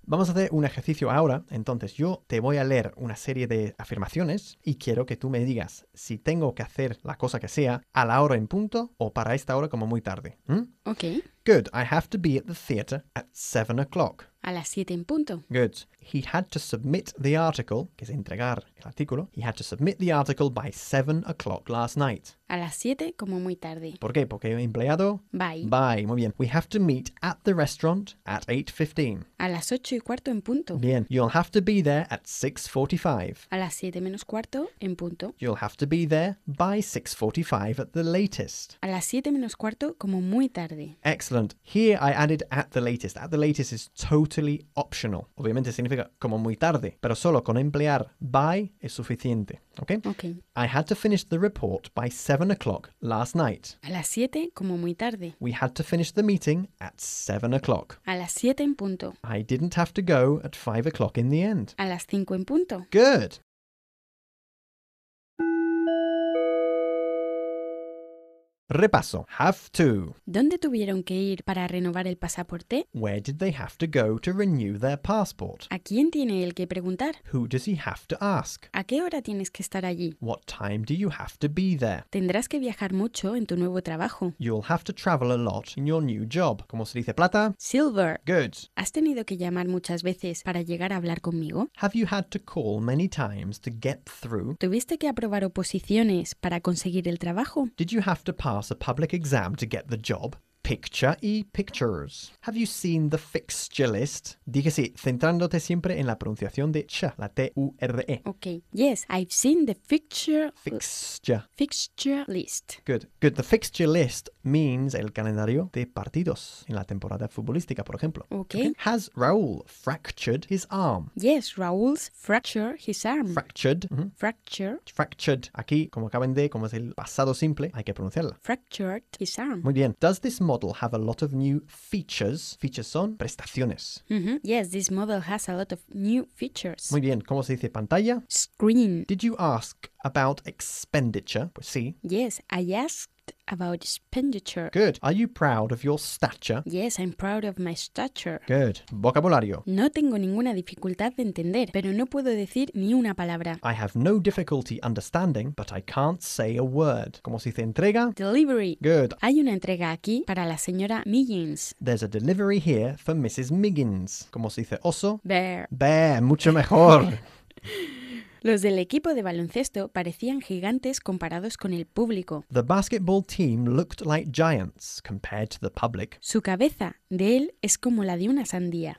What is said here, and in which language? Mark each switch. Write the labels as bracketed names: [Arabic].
[Spanish] Vamos a hacer un ejercicio ahora, entonces yo te voy a leer una serie de afirmaciones y quiero que tú me digas si tengo que hacer la cosa que sea a la hora en punto o para esta hora como muy tarde. [English] Okay. Good. I have to be at the theater at 7 o'clock. [Spanish] A las 7 en punto. [English] Good. He had to submit the article, [Spanish] que es entregar el artículo. [English] He had to submit the article by 7 o'clock last night. [Spanish] A las 7 como muy tarde. ¿Por qué? Porque empleado. [English] By. By. [Spanish] Muy bien. [English] We have to meet at the restaurant at 8:15. [Spanish] A las 8:15 en punto. [English] Bien. You'll have to be there at 6:45. [Spanish] A las 7:15 en punto. [English] You'll have to be there by 6:45 at the latest. [Spanish] A las 7:15 como muy tarde. [English] Excellent. Here I added at the latest. At the latest is totally optional. [Spanish] Obviamente significa como muy tarde, pero solo con emplear by es suficiente. [English] Okay? Okay. I had to finish the report by 7 o'clock last night. [Spanish] A las 7 como muy tarde. [English] We had to finish the meeting at 7 o'clock. [Spanish] A las 7 en punto. [English] I didn't have to go at 5 o'clock in the end. [Spanish] A las 5 en punto. [English] Good. Repaso. Have to. [Spanish] ¿Dónde tuvieron que ir para renovar el pasaporte? [English] Where did they have to go to renew their passport? [Spanish] ¿A quién tiene el que preguntar? [English] Who does he have to ask? [Spanish] ¿A qué hora tienes que estar allí? [English] What time do you have to be there? [Spanish] Tendrás que viajar mucho en tu nuevo trabajo. [English] You'll have to travel a lot in your new job. [Spanish] ¿Cómo se dice plata? [English] Silver. Good. [Spanish] ¿Has tenido que llamar muchas veces para llegar a hablar conmigo? [English] Have you had to call many times to get through? [Spanish] ¿Tuviste que aprobar oposiciones para conseguir el trabajo? [English] Did you have to pass a public exam to get the job? Picture y pictures. Have you seen the fixture list? [Spanish] Dije sí, centrándote siempre en la pronunciación de ch, la T-U-R-E. [English] Okay, yes, I've seen the fixture... Fixture list. Good, good. The fixture list means [Spanish] el calendario de partidos en la temporada futbolística, [English] por ejemplo. Okay. Has Raúl fractured his arm? Yes, Raúl's fractured his arm. Fractured. Mm-hmm. Fractured. Fractured. [Spanish] Aquí, como acaban de, como es el pasado simple, hay que pronunciarla. [English] Fractured his arm. [Spanish] Muy bien. [English] Does this model have a lot of new features? [Spanish] Features son prestaciones. Mm-hmm. [English] Yes, this model has a lot of new features. [Spanish] Muy bien. ¿Cómo se dice pantalla? [English] Screen. Did you ask about expenditure? [Spanish] Pues sí. [English] Yes, I asked about expenditure. Good. Are you proud of your stature? Yes, I'm proud of my stature. Good. Vocabulario. [Spanish] No tengo ninguna dificultad de entender, pero no puedo decir ni una palabra. [English] I have no difficulty understanding, but I can't say a word. [Spanish] ¿Cómo se dice entrega? [English] Delivery. Good. [Spanish] Hay una entrega aquí para la señora Miggins. [English] There's a delivery here for Mrs. Miggins. [Spanish] ¿Cómo se dice oso? [English] Bear. Bear. [Spanish] Mucho mejor. Los del equipo de baloncesto parecían gigantes comparados con el público. [English] The basketball team looked like giants compared to the public. [Spanish] Su cabeza de él es como la de una sandía.